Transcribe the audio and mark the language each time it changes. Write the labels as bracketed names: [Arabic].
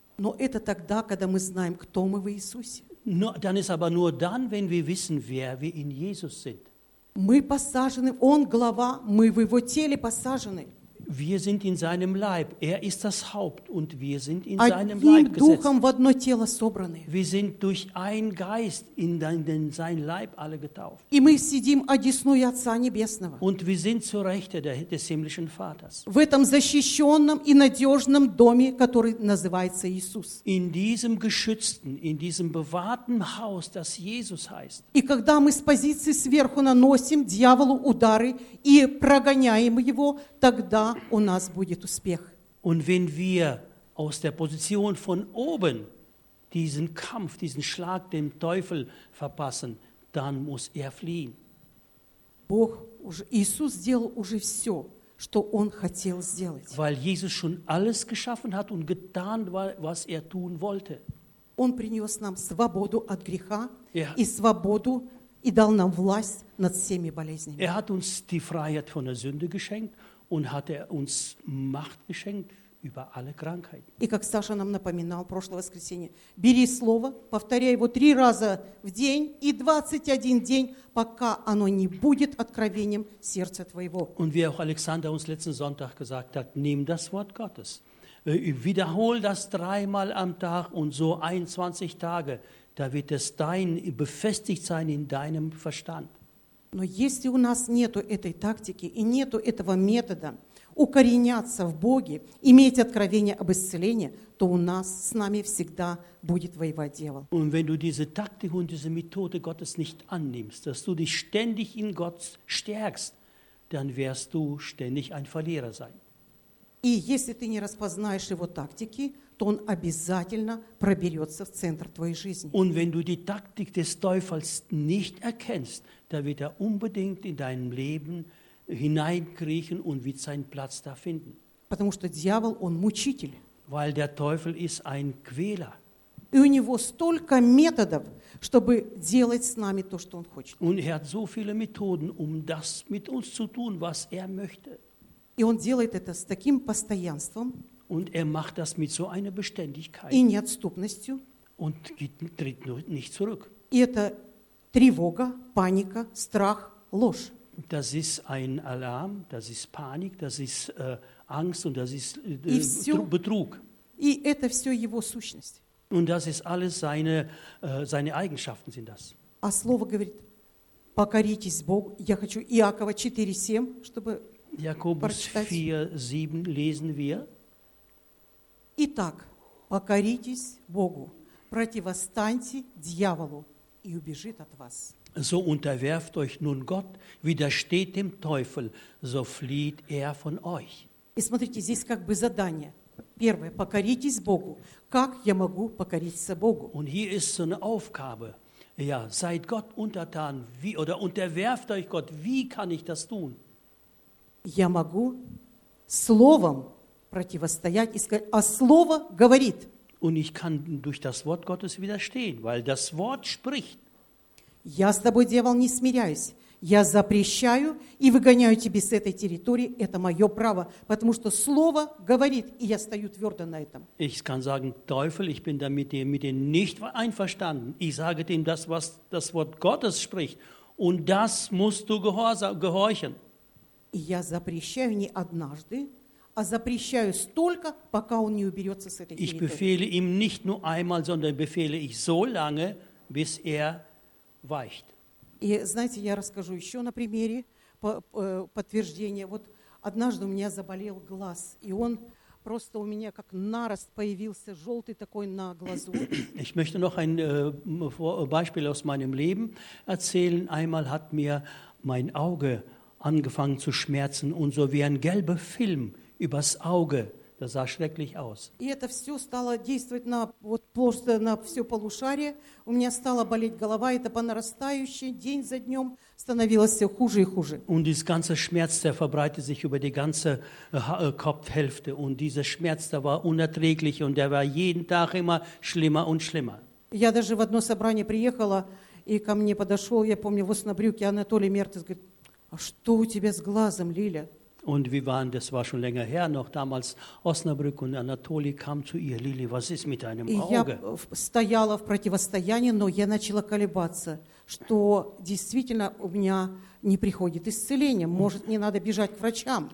[Russian] Но это тогда, когда мы знаем, кто мы в Иисусе. [German] No, dann ist aber nur dann, wenn wir wissen, wer wir in Jesus sind. [Russian] Мы посажены, Он глава, мы в Его теле посажены. [German] Wir sind in seinem Leib, er ist das Haupt und wir sind in [Russian] одним [German] seinem Leib [Russian] духом [German] gesetzt. [Russian] В одно тело собраны. [German] Wir sind durch einen Geist in sein Leib alle getauft. [Russian] И мы сидим одесную Отца Небесного. [German] Und wir sind zur Rechte des himmlischen Vaters. [Russian] В этом защищенном и надежном доме, который называется Иисус. [German] In diesem geschützten, in diesem bewahrten Haus, das Jesus heißt. [Russian] И когда мы с позиции сверху наносим дьяволу удары и прогоняем его, тогда у нас будет успех. [German] Und wenn wir aus der Position von oben diesen Kampf, diesen Schlag dem Teufel verpassen, dann muss er fliehen. [Russian] Бог уже, Иисус сделал уже все, что Он хотел сделать. [German] Weil Jesus schon alles geschaffen hat und getan, was er tun wollte. [Russian] Он принес нам свободу от греха и свободу и дал нам власть над всеми болезнями. [German] Er hat uns die Freiheit von der Sünde geschenkt. Und hat er uns Macht geschenkt über alle Krankheiten. [Russian] И как Саша нам напоминал прошлое воскресенье, бери слово, повторяй его 3 раза в день и 21 день, пока оно не будет откровением сердца твоего. [German] Und wie auch Alexander uns letzten Sonntag gesagt hat, nimm das Wort Gottes, wiederhol das 3-mal am Tag und so 21 Tage, da wird es dein befestigt sein in deinem Verstand. [Russian] Но если у нас нету этой тактики и нету этого метода укореняться в Боге, иметь откровение об исцелении, то у нас с нами всегда будет воевать дьявол. [German] Und wenn du diese Taktik und diese Methode Gottes nicht annimmst, dass du dich ständig in Gott stärkst, dann wirst du ständig ein Verlierer sein. [Russian] И если ты не распознаешь его тактики, то он обязательно проберется в центр твоей жизни. [German] Und wenn du die Taktik des Teufels nicht erkennst, da wird er unbedingt in dein Leben hineinkriechen und wird seinen Platz da finden. [Russian] Потому что дьявол, он мучитель. [German] Weil der Teufel ist ein Quäler. [Russian] И у него столько методов, чтобы делать с нами то, что он хочет. [German] Und er hat so viele Methoden, um das mit uns zu tun, was er möchte. [Russian] И он делает это с таким постоянством. [German] Und er macht das mit so einer Beständigkeit. [Russian] И неотступностью. [German] Und tritt nicht zurück. [Russian] И это тревога, паника, страх, ложь. [German] Das ist ein Alarm, das ist Panik, das ist Angst und das ist Betrug. [Russian] И это все его сущность. [German] Und das ist alles seine Eigenschaften sind das. [Russian] А слово говорит, покоритесь Богу. Я хочу Иакова 4:7, чтобы [German] Jakobus 4:7 lesen wir. [Russian] Итак, покоритесь Богу, противостаньте дьяволу. И убежит от вас. [German] So unterwerft euch nun Gott, widersteht dem Teufel, so flieht von euch. [Russian] И смотрите, здесь как бы задание. Первое, покоритесь Богу. Как я могу покориться Богу? [German] Und hier ist so eine Aufgabe. Ja, seid Gott untertan, wie, oder unterwerft euch Gott. Wie kann ich das tun? [Russian] Я могу словом противостоять и сказать, а слово говорит. [German] Und ich kann durch das Wort Gottes widerstehen, weil das Wort spricht. [Russian] Я с тобой, дьявол, не смиряюсь. Я запрещаю и выгоняю тебя с этой территории. Это мое право, потому что слово говорит, и я стою твердо на этом. [German] Ich kann sagen, Teufel, ich bin da mit dir nicht einverstanden. Ich sage dem das, was das Wort Gottes spricht, und das musst du gehorchen. [Russian] я запрещаю не однажды, а запрещаю столько, пока он не уберется с этой территории. [German] Ich befehle ihm nicht nur einmal, sondern befehle ich so lange, bis weicht. [Russian] И знаете, я расскажу еще на примере подтверждения. Вот однажды у меня заболел глаз, и он просто у меня как нарост появился, желтый такой на глазу. [German] Ich möchte noch ein Beispiel aus meinem Leben erzählen. Einmal hat mir mein Auge angefangen zu schmerzen und so wie ein gelber Film übers Auge. Das sah schrecklich aus. [Russian] И это все стало действовать на вот просто на все полушарие. У меня стала болеть голова, это по нарастающей, день за днем становилось все хуже и хуже. [German] Und dieser ganze Schmerz, der verbreitete sich über die ganze Kopfhälfte, und dieser Schmerz, der war unerträglich, und der war jeden Tag immer schlimmer und schlimmer. [Russian] Я даже в одно собрание приехала, и ко мне подошел, я помню, вот на брюке Анатолий Мертис говорит: «А что у тебя с глазом, Лиля?» [German] Und wir waren, das war schon länger her, noch damals Osnabrück, und Anatoli kam zu ihr: Lili, was ist mit deinem Auge? [Russian] Стояла в противостоянии, но я начала колебаться, что действительно у меня не приходит исцеление, может, не надо бежать к врачам.